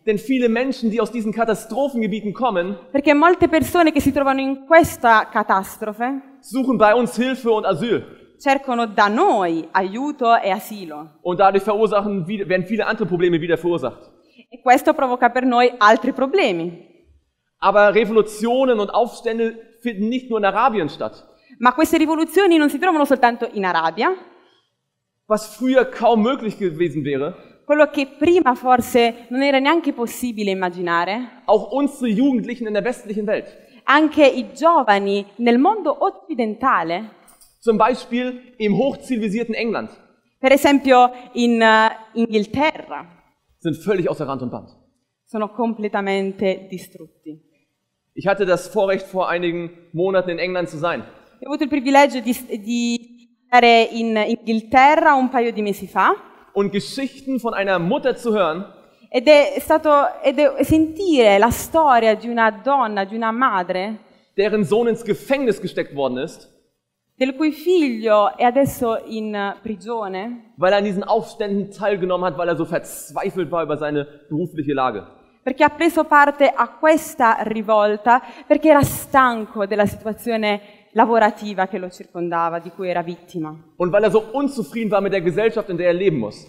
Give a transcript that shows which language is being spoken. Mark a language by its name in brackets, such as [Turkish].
[German] Denn viele Menschen, die aus diesen Katastrophengebieten kommen, [Italian] perché molte persone che si trovano in questa catastrofe, [German] suchen bei uns Hilfe und Asyl. [Italian] Cercano da noi aiuto e asilo. [German] Und dadurch werden viele andere Probleme wieder verursacht. [Italian] E questo provoca per noi altri problemi. [German] Aber Revolutionen und Aufstände finden nicht nur in Arabien statt. [Italian] Ma queste rivoluzioni non si trovano soltanto in Arabia. [German] Was früher kaum möglich gewesen wäre. [Italian] Quello che prima forse non era neanche possibile immaginare. [German] Auch unsere Jugendlichen in der westlichen Welt. [Italian] Anche i giovani nel mondo occidentale. [German] Zum Beispiel im hochzivilisierten England. [Italian] Per esempio in Inghilterra. [German] Sind völlig außer Rand und Band. [Italian] Sono completamente distrutti. [German] Ich hatte das Vorrecht, vor einigen Monaten in England zu sein. [Italian] Ho avuto il privilegio di andare in Inghilterra un paio di mesi fa. [German] Und Geschichten von einer Mutter zu hören. [Italian] Ed è sentire la storia di una donna, di una madre. [German] Deren Sohn ins Gefängnis gesteckt worden ist. [Italian] Del cui figlio è adesso in prigione. [German] Weil er an diesen Aufständen teilgenommen hat, weil er so verzweifelt war über seine berufliche Lage. [Italian] Perché ha preso parte a questa rivolta perché era stanco della situazione lavorativa che lo circondava, di cui era vittima. [German] Und weil er so unzufrieden war mit der Gesellschaft, in der er leben muss.